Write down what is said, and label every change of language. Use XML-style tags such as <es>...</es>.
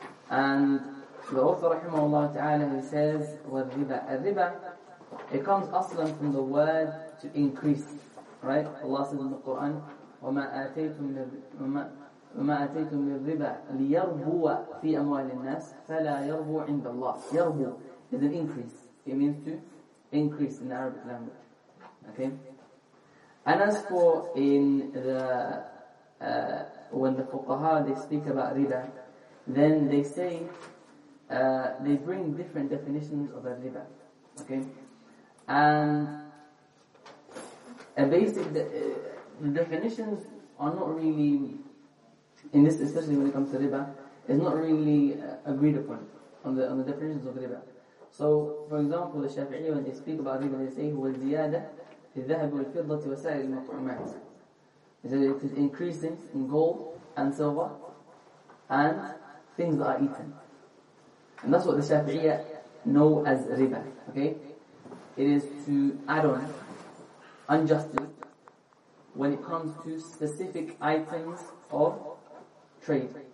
<en>And the author rahimahullah ta'ala, he says, والربا. الربا, it comes aslan from the word to increase, right? Allah says in the Quran,</en> <ar>وما آتيتم للربا ليربو في أموال الناس فلا يربو عند الله.</ar> <en>يربو is an increase. It means to increase in the Arabic language. Okay. And as for in the when the fuqaha, they speak about riba, then they say they bring different definitions of a riba. Okay. And a basic the definitions are not really in this, especially when it comes to riba, is not really agreed upon on the definitions of riba. So, for example, the Shafi'i, when they speak about riba, they say</en> <ar>هو الزيادة في الذهب والفضة وسائر المطعومات.</ar> <en>It is increasing in gold and silver and things that are eaten. And that's what the Shafi'i know as riba. Okay. It is to add on unjustly when it comes to specific items of trade.</en>